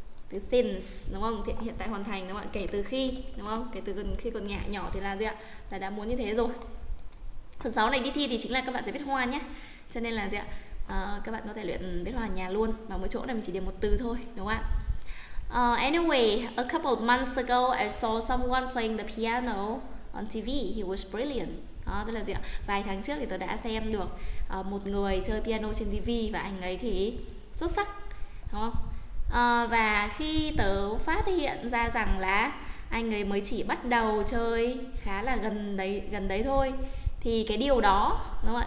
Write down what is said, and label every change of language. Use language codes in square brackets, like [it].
[vi] Từ since, đúng không? Thì hiện tại hoàn thành, đúng không ạ? Kể từ khi, đúng không? Kể từ khi còn nhỏ thì là gì ạ? Là đã muốn như thế rồi. Phần 6 này đi thi thì chính là các bạn sẽ viết hoa nhé. Cho nên là gì ạ? Các bạn có thể luyện viết hoa ở nhà luôn. Vào mỗi chỗ này mình chỉ điểm một từ thôi, đúng không ạ? [en] Anyway, a couple of months ago I saw someone playing the piano on TV. He was brilliant. [vi] Đó, tức là gì ạ? Vài tháng trước thì tôi đã xem được một người chơi piano trên TV và anh ấy thì xuất sắc, đúng không? Và khi tớ phát hiện ra rằng là anh ấy mới chỉ bắt đầu chơi khá là gần đấy thôi, thì cái điều đó, đúng không ạ?